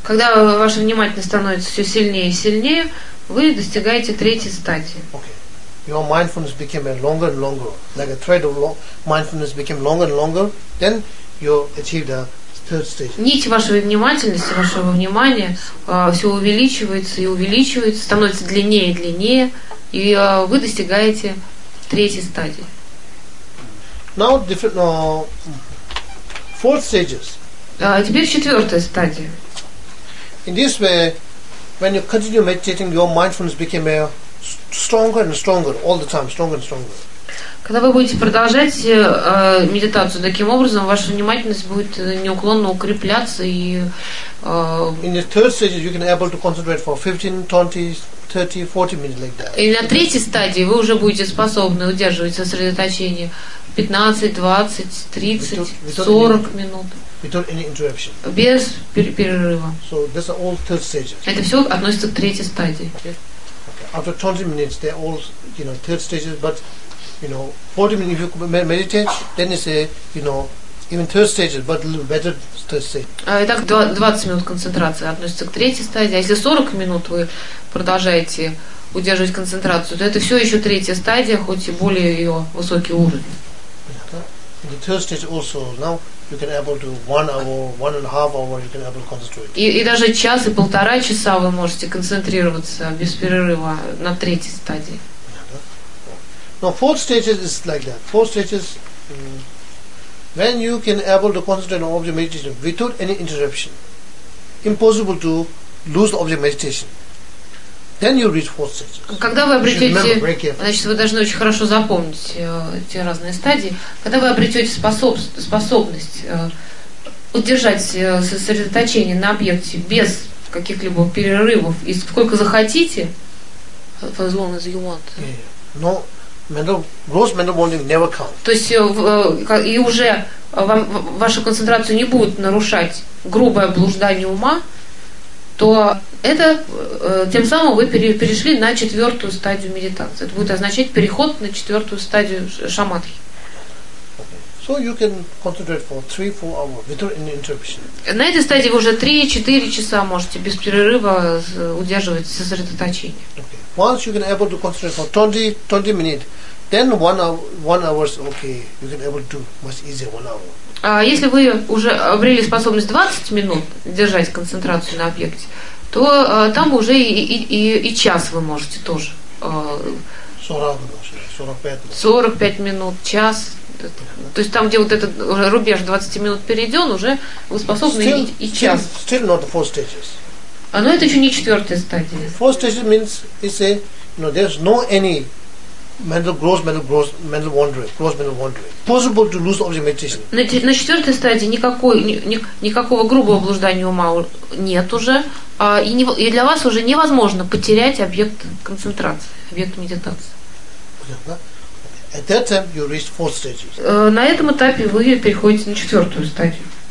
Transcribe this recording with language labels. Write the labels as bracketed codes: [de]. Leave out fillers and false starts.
[ru] Когда ваша внимательность становится все сильнее и сильнее, вы достигаете третьей стадии. [en] Okay. Your mindfulness became longer and longer, like a thread of mindfulness became longer and longer. Then you achieve the third stage. [ru] Нить вашей внимательности, вашего внимания, все увеличивается и увеличивается, становится длиннее и длиннее, и вы достигаете третьей стадии. [en] Now different fourth stages. [ru] Теперь четвертая стадия. [en] In this way, when you continue meditating, your mindfulness became a stronger and stronger all the time, stronger and stronger. [ru] Когда вы будете продолжать медитацию таким образом, ваша внимательность будет неуклонно укрепляться и [en] in the third stage you can able to concentrate for 15, 20, 30, 40 minutes like that. [ru] И на третьей стадии вы уже будете способны удерживать сосредоточение 15, 20, 30, 40 минут. [en] Without any interruption. [ru] Без перерыва. [en] So this are all third stages. [ru] Это все относится к третьей стадии. [en] Okay. After 20 minutes, they're all, you know, third stages, but you know, 40 minutes if you meditate, then you say, you know, even third stages, but a little better third stage. [ru] Итак, 20 минут концентрации относится к третьей стадии. А если 40 минут вы продолжаете удерживать концентрацию, то это все еще третья стадия, хоть и более ее высокий уровень. [en] In the third stage also now you can able to 1 hour, 1.5 hour you can able to concentrate. [ru] И даже час и полтора часа вы можете концентрироваться без перерыва на третьей стадии. [en] No, fourth stage is like that. Fourth stage is when you can able to concentrate on object meditation without any interruption. Impossible to lose object meditation. Then you reach fourth stage. [ru] Когда вы обретете, значит, вы должны очень хорошо запомнить те разные стадии. Когда вы обретете способность удержать сосредоточение на объекте без каких-либо перерывов и сколько захотите, [en] as long as you want. No, mental, gross mental wandering never count. [ru] То есть и уже вам, вашу концентрацию не будет нарушать грубое блуждание ума, то это тем самым вы перешли на четвертую стадию медитации. Это будет означать переход на четвертую стадию шамадхи. [en] So you can concentrate for 3-4 hours without any interruption. [ru] На этой стадии вы уже 3-4 часа можете без перерыва удерживать сосредоточение. [en] Okay. Once you can able to concentrate for 20 minutes, then one hour is okay. You can able to do much easier 1 hour. [ru] А если вы уже обрели способность 20 минут держать концентрацию на объекте, то там уже и час вы можете тоже. 45 минут, час. То есть там, где вот этот рубеж 20 минут перейден, уже вы способны и час. [en] Still not the four stages. [ru] Но это еще не четвертая стадия. [en] Four stages means you say, you know, there's no any mental wandering. Possible to lose object meditation. [ru] На четвертой стадии никакого грубого блуждания ума нет уже, и для вас уже невозможно потерять объект концентрации, объект медитации. [en] At that time you reach fourth stage. [ru] На этом этапе вы переходите на четвертую стадию.